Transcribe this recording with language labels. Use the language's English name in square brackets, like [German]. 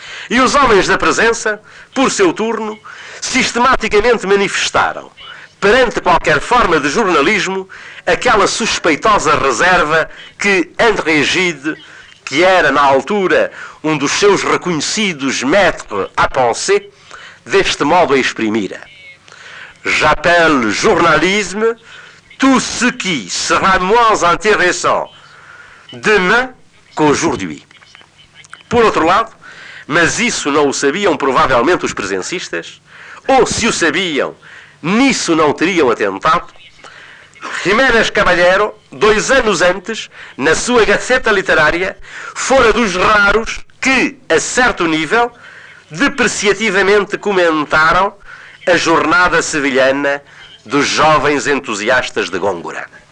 [Portuguese] E os homens da Presença, por seu turno, sistematicamente manifestaram, perante qualquer forma de jornalismo, aquela suspeitosa reserva que André Gide, que era na altura um dos seus reconhecidos [French] maîtres à pensée, [Portuguese] deste modo a exprimira. [French] J'appelle journalisme tout ce qui sera moins intéressant demain qu'aujourd'hui. [Portuguese] Por outro lado, mas isso não o sabiam provavelmente os presencistas, ou se o sabiam, nisso não teriam atentado, Jiménez Caballero, dois anos antes, na sua Gaceta Literária, fora dos raros que, a certo nível, depreciativamente comentaram a jornada sevilhana dos jovens entusiastas de Góngora.